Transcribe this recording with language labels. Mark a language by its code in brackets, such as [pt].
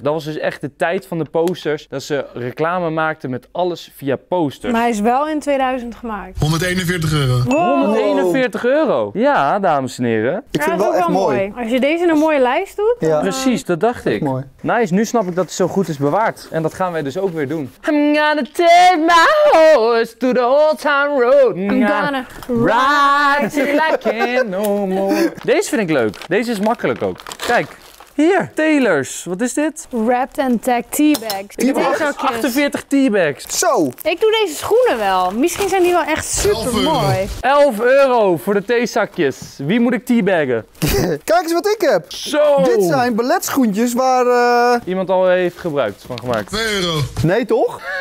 [nl] Dat was dus echt de tijd van de posters. Dat ze reclame maakten met alles via posters. Maar hij is wel in 2000 gemaakt. 141 euro. Wow. 141 euro. Ja, dames. Ik vind het wel echt mooi. Als je deze in een mooie lijst doet. Ja. Precies, dat dacht ik. Mooi. Nice, nu snap ik dat het zo goed is bewaard. En dat gaan wij dus ook weer doen. [en] I'm gonna take my horse to the old town road. I'm gonna ride till I can no more. [nl] Deze vind ik leuk. Deze is makkelijk ook. Kijk. Hier, Taylors. Wat is dit? [en] Wrapped and tagged teabags. [nl] Ik heb deze 48 teabags. Zo. Ik doe deze schoenen wel. Misschien zijn die wel echt super mooi. 11 euro voor de theezakjes. Wie moet ik teabaggen? Kijk eens wat ik heb. Zo. Dit zijn balletschoentjes waar... Iemand al heeft gebruikt van gemaakt. 2 euro. Nee, toch?